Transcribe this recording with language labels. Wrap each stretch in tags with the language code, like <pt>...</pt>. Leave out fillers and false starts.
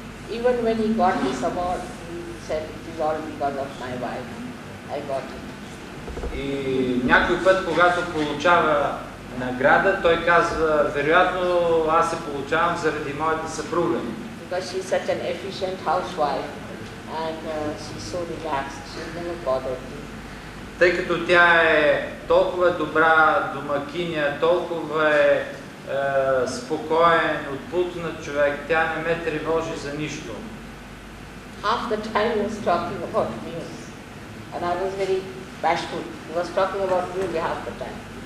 <en>Even when he got this award, he said it is all because of my wife. I got it.</en> <bg>И някой път, когато получава награда, той казва, вероятно аз се получавам заради моята съпруга.</bg> <en>Because she is such an efficient housewife and she is so relaxed, she is never bothered.</en> <bg>Тъй като тя е толкова добра домакиня, толкова е спокоен, отпутнат човек, тя не ме тревожи за нищо.</bg> <en>Half the time he was talking about news. And I was very bashful. He was talking about news half the time.</en>